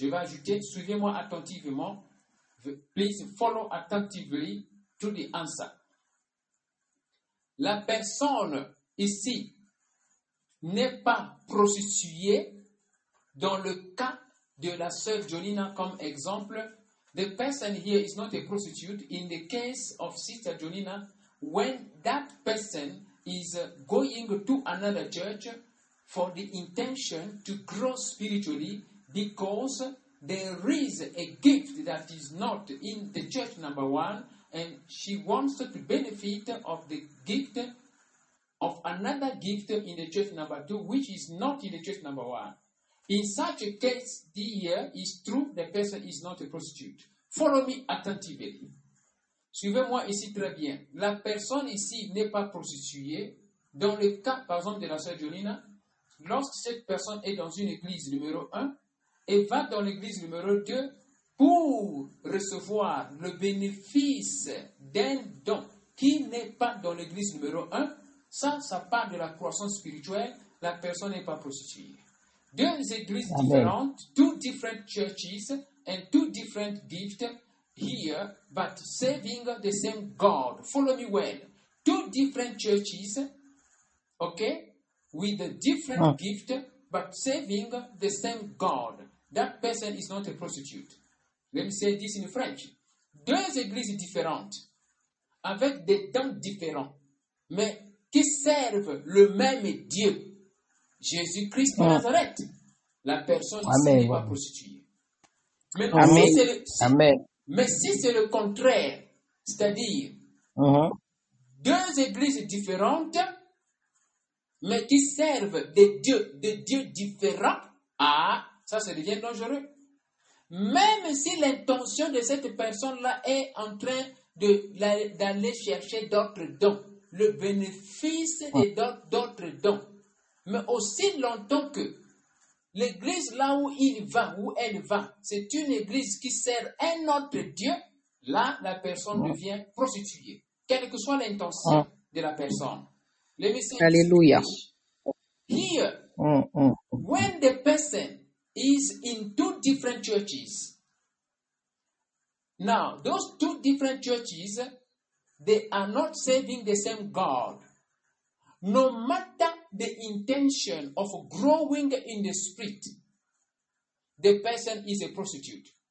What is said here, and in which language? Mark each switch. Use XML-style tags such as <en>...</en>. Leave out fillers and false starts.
<fr>Je vais ajouter, suivez-moi attentivement.</fr> <en>Please follow attentively to the answer.</en> <fr>La personne ici n'est pas prostituée dans le cas de la sœur Jonina comme exemple.</fr> <en>The person here is not a prostitute in the case of sister Jonina when that person is going to another church for the intention to grow spiritually because there is a gift that is not in the church number one and she wants to benefit of the gift of another gift in the church number two which is not in the church number one. In such a case, dear, it's true the person is not a prostitute. Follow me attentively.</en> <fr>Suivez-moi ici très bien. La personne ici n'est pas prostituée. Dans le cas, par exemple, de la sœur Jonina, lorsque cette personne est dans une église numéro 1 et va dans l'église numéro 2 pour recevoir le bénéfice d'un don qui n'est pas dans l'église numéro 1, ça part de la croissance spirituelle, la personne n'est pas prostituée. Deux églises Amen.</fr> <en>Différentes, two different churches, and two different gifts here, but serving the same God. Follow me well. Two different churches, okay, with a different gift, but serving the same God. That person is not a prostitute. Let me say this in French.</en> <fr>Deux églises différentes, avec des dons différents, mais qui servent le même Dieu, Jésus-Christ de Nazareth. La personne ici n'est pas prostituée. Mais, Amen. Si Amen. Mais si c'est le contraire, c'est-à-dire deux églises différentes, mais qui servent des dieux différents, ah, ça, ça devient dangereux. Même si l'intention de cette personne-là est en train d'aller chercher d'autres dons, le bénéfice d'autres dons. Mais aussi longtemps que l'église là où il va, où elle va, c'est une église qui sert un autre Dieu, là, la personne devient prostituée, quelle que soit l'intention de la personne.</fr> <en>Let me say Alléluia. Here, when the person is in two different churches. Now, those two different churches, they are not serving the same God. No matter the intention of growing in the spirit, the person is a prostitute.</en>